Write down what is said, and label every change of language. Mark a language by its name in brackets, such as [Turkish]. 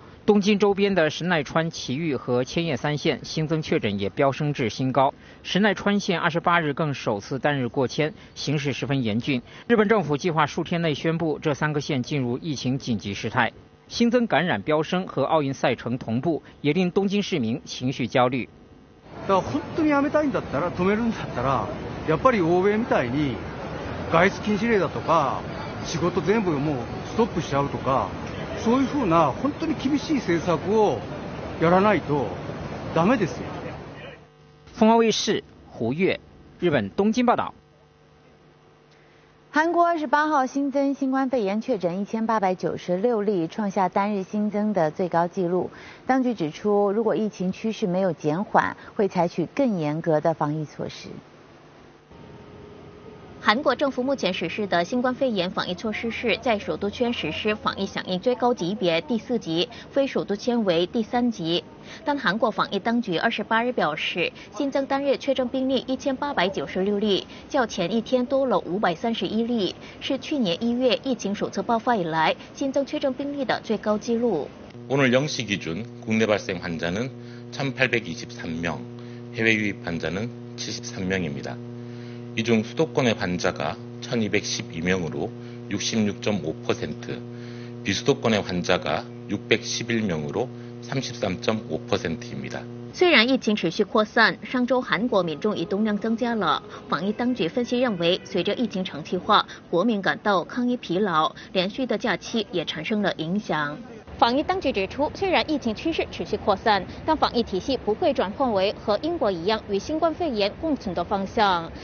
[Chinese] 东京周边的神奈川、埼玉和千叶三县新增确诊也飙升至新高。神奈川县28日更首次单日过千，形势十分严峻。日本政府计划数天内宣布这三个县进入疫情紧急事态。新增感染飙升和奥运赛程同步，也令东京市民情绪焦虑。 [Japanese] だから本当にやめたいんだったら、止めるんだったら、やっぱり欧米みたいに外出禁止令だとか、仕事全部もうストップしちゃうとか、そういうふうな本当に厳しい政策をやらないとダメですよ。 [Chinese] 凤凰卫视胡月，日本东京报道。韩国28号新增新冠肺炎确诊1896例，创下单日新增的最高纪录。当局指出，如果疫情趋势没有减缓，会采取更严格的防疫措施。韩国政府目前实施的新冠肺炎防疫措施是在首都圈实施防疫响应最高级别第四级，非首都圈为第三级。但韩国防疫当局28日表示，新增单日确诊病例1896例，较前一天多了531例，是去年1月疫情首次爆发以来新增确诊病例的最高纪录。 [Korean] 오늘0시기준국내발생환자는1823명，해외유입환자는73명입니다。 이중수도권의환자가1212명으로 66.5%, 비수도권의환자가611명으로 33.5% 입니다。 [Chinese] 虽然疫情持续扩散，上周韩国民众移动量增加了。防疫当局分析认为，随着疫情长期化，国民感到抗疫疲劳，连续的假期也产生了影响。防疫当局指出，虽然疫情趋势持续扩散，但防疫体系不会转换为和英国一样与新冠肺炎共存的方向。